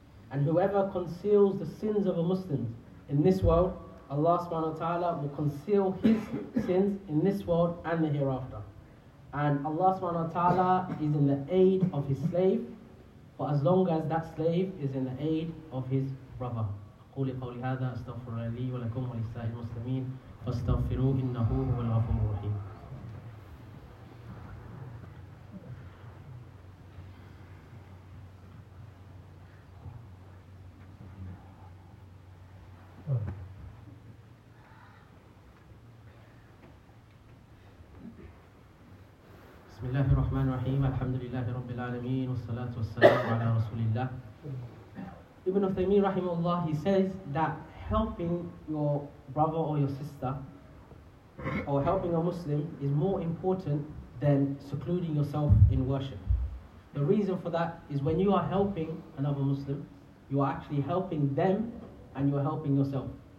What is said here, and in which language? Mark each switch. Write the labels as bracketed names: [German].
[English] And whoever conceals the sins of a Muslim in this world, Allah subhanahu wa ta'ala will conceal his sins in this world and the hereafter. And Allah subhanahu wa ta'ala is in the aid of his slave for as long as that slave is in the aid of his brother. [Arabic] قولي قولي هذا استغفر لي ولكم ولسائر المسلمين فاستغفروه إنه هو الغفور الرحيم. بسم الله الرحمن الرحيم الحمد لله رب العالمين والصلاة والسلام على رسول الله. [English] Ibn Uthaymeen rahimahullah, he says that helping your brother or your sister or helping a Muslim is more important than secluding yourself in worship. The reason for that is when you are helping another Muslim, you are actually helping them and you are helping yourself.